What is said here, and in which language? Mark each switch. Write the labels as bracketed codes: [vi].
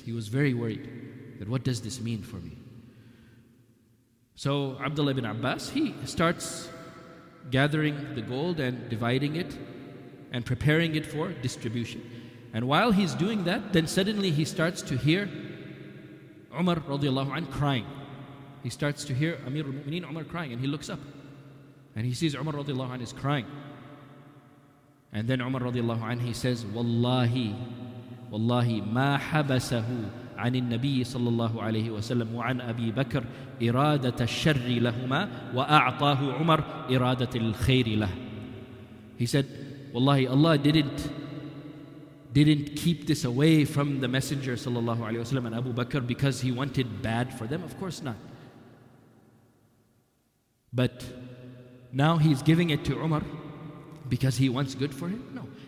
[en] He was very worried that what does this mean for me? So Abdullah ibn Abbas, he starts gathering the gold and dividing it and preparing it for distribution. And while he's doing that, then suddenly he starts to hear Umar radiallahu anhu crying. He starts to hear Amir al-Mu'mineen Umar crying, and he looks up. And he sees Umar radiallahu anhu is crying. And then Umar radiallahu anhu, he says, [ar] Wallahi, Wallahi, ma habasahu عن النبي صلى الله عليه وسلم وعن أبي بكر إرادة الشر لهما وأعطاه عمر إرادة الخير له. [en] He said, Wallahi, Allah didn't keep this away from the Messenger صلى الله عليه وسلم and Abu Bakr because he wanted bad for them. Of course not. But now he's giving it to Umar because he wants good for him? No.